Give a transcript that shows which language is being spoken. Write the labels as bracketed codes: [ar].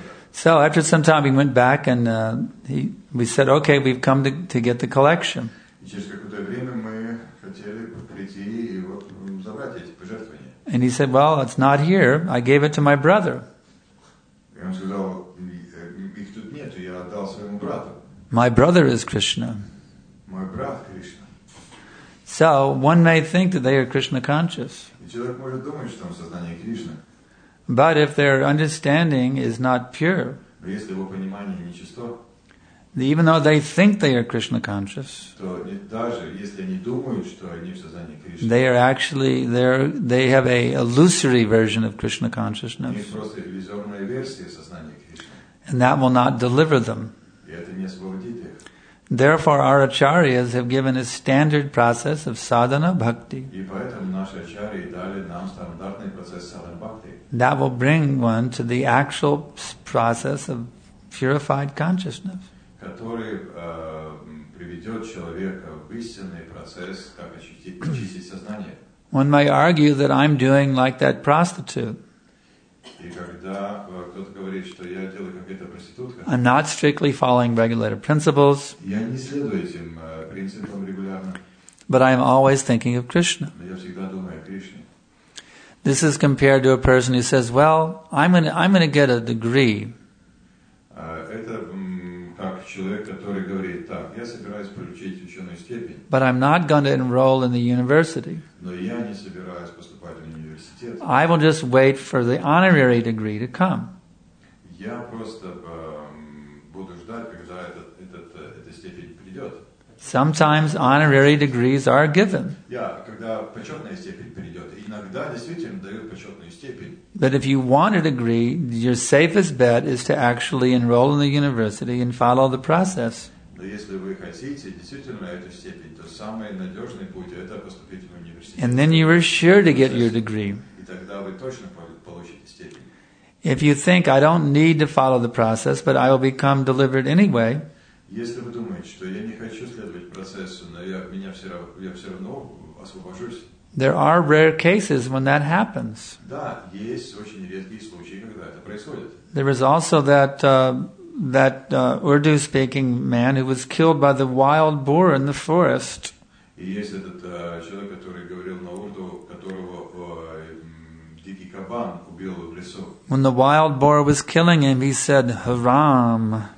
[en] So after some time we went back and we said, okay, we've come to get the collection. [ru] И через какое-то время мы хотели прийти и вот забрать эти пожертвования. [en] And he said, well, it's not here. I gave it to my brother. [ru] И он сказал, их тут нет, я отдал своему брату. [en] My brother is Krishna. My brother Krishna. So one may think that they are Krishna conscious. [ru] человек может думать, что он в сознании Кришны. [en] But if their understanding is not pure, [ru] но если его понимание нечисто, [en] even though they think they are Krishna conscious, [ru] то даже если они думают, что они в сознании Кришны, [en] they are actually they have an illusory version of Krishna consciousness. [ru] У них просто иллюзорная версия сознания Кришны. [en] And that will not deliver them. [ru] И это не освободит их. [en] Therefore, our acharyas have given a standard process of sadhana bhakti. [ru] И поэтому наши ачарьи дали нам стандартный процесс садхана бхакти. [en] That will bring one to the actual process of purified consciousness. [ru] Который приведет человека в истинный процесс, как очистить сознание. [en] One may argue that I'm doing like that prostitute. [ru] И когда кто-то говорит, что я делаю как эта проститутка, [en] I'm not strictly following regulated principles. [ru] Я не следую этим принципам регулярно. [en] But I'm always thinking of Krishna. [ru] Но я всегда думаю о Кришне. [en] This is compared to a person who says, "Well, I'm gonna get a degree." [ru] Это как человек, который говорит: "Так, я собираюсь получить ученую степень." [en] But I'm not gonna enroll in the university. [ru] Но я не собираюсь поступать в университет. [en] I will just wait for the honorary degree to come. [ru] Я просто буду ждать, когда эта степень придет. [en] Sometimes honorary degrees are given. [ru] Yeah, когда почетная степень придет, иногда действительно дают почетную степень. [en] But if you want a degree, your safest bet is to actually enroll in the university and follow the process. [ru] Но если вы хотите действительно эту степень, то самый надежный путь — это поступить в университет. [en] And then you are sure to get your degree. [ru] И тогда вы точно получите степень. [en] If you think I don't need to follow the process, but I will become delivered anyway. [ru] Если вы думаете, что я не хочу следовать процессу, но я все равно освобожусь. [en] There are rare cases when that happens. [ru] Да, есть очень редкие случаи, когда это происходит. [en] There was also that Urdu speaking man who was killed by the wild boar in the forest. [ru] И есть этот человек, который говорил на урду, которого дикий кабан убил в лесу. [en] When the wild boar was killing him, he said, "Haram."